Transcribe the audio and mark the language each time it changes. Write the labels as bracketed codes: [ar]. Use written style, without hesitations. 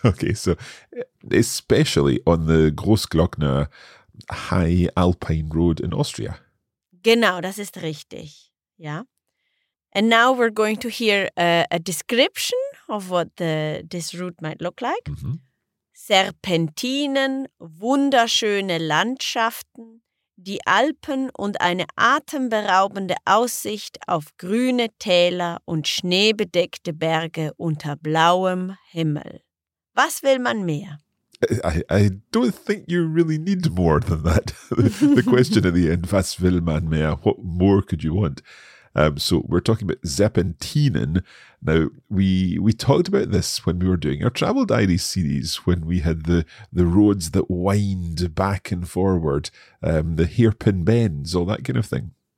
[en] Okay, so especially on the Großglockner High Alpine Road in Austria. [de] Genau, das ist richtig. Ja. [en] And now we're going to hear a description of what this route might look like. Mm-hmm. [de] Serpentinen, wunderschöne Landschaften, die Alpen und eine atemberaubende Aussicht auf grüne Täler und schneebedeckte Berge unter blauem Himmel. Was will man mehr? [en] I don't think you really need more than that. The question at the end, [de] was will man mehr? [en] What more could you want? So we're talking about Serpentinen. Now, we talked about this when we were doing our Travel Diaries series, when we had the roads that wind back and forward, the hairpin bends, all that kind of thing.